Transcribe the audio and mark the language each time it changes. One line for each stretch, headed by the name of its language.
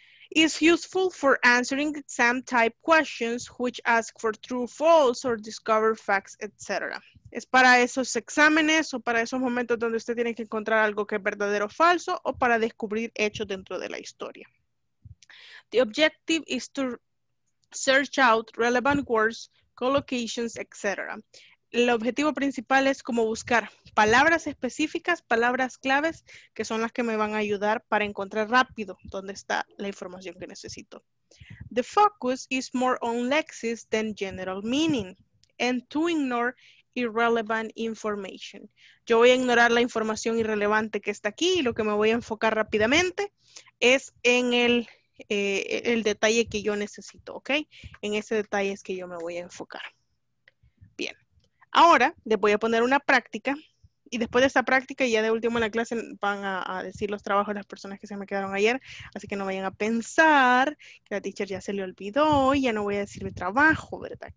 English: It's useful for answering exam type questions which ask for true, false, or discover facts, etc.
Spanish: Es para esos exámenes o para esos momentos donde usted tiene que encontrar algo que es verdadero o falso o para descubrir hechos dentro de la historia.
English: The objective is to search out relevant words, collocations, etc.
Spanish: El objetivo principal es como buscar palabras específicas, palabras claves, que son las que me van a ayudar para encontrar rápido dónde está la información que necesito.
English: The focus is more on lexis than general meaning, and to ignore irrelevant information.
Spanish: Yo voy a ignorar la información irrelevante que está aquí, y lo que me voy a enfocar rápidamente es en el detalle que yo necesito, ¿ok? En ese detalle es que yo me voy a enfocar. Bien. Ahora les voy a poner una práctica y después de esta práctica ya de último en la clase van a decir los trabajos de las personas que se me quedaron ayer, así que no vayan a pensar que la teacher ya se le olvidó y ya no voy a decir mi trabajo, ¿verdad?